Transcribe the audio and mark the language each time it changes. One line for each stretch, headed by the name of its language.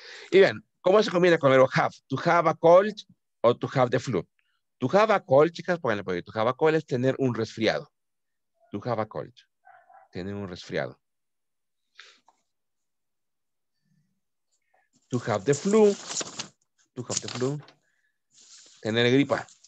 Spanish: Y bien, ¿cómo se combina con el have?
English: To have a cold or to have the flu? To have a cold,
Spanish: chicas, pónganle por ahí.
English: To have a cold
Spanish: es tener un resfriado.
English: To have a cold.
Spanish: Tener un resfriado.
English: To have the flu. To have the flu.
Spanish: Tener gripa.